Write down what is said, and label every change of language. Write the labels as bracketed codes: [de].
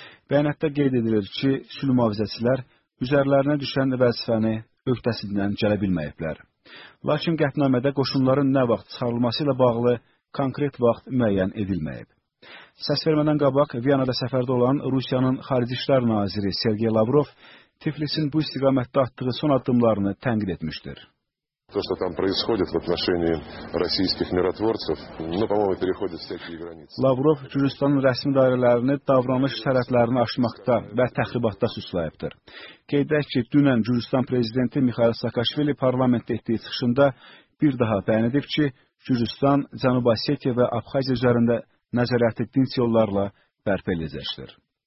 [az] Bəyanatda qeyd edilir ki, sülh mühafizəçilər üzərlərinə düşən vəzifəni öhdəsindən gələ bilməyiblər. Lakin qətnamədə qoşunların nə vaxt çıxarılması ilə bağlı konkret vaxt müəyyən edilməyib. Səs vermədən qabaq Viyanada səfərdə olan Rusiyanın Xarici İşlər Naziri Sergey Lavrov Tiflisin bu istiqamətdə atdığı son addımlarını tənqid etmişdir. [ru] То, что там происходит в отношении российских миротворцев, ну, по-моему, переходит всякие границы. [az] Lavrov, Gürcüstanın rəsmi dairələrini davranış sərhədlərini aşmaqda və təxribatda suçlayıbdır. Qeyd edək ki, dünən Gürcüstan prezidenti Mikhail Saakashvili parlamentdə etdiyi çıxışında bir daha bəyan edib ki, Gürcüstan Cənubi Ossetiya və Abxaziya üzərində nəzarəti dinc yollarla bərpa edəcəkdir.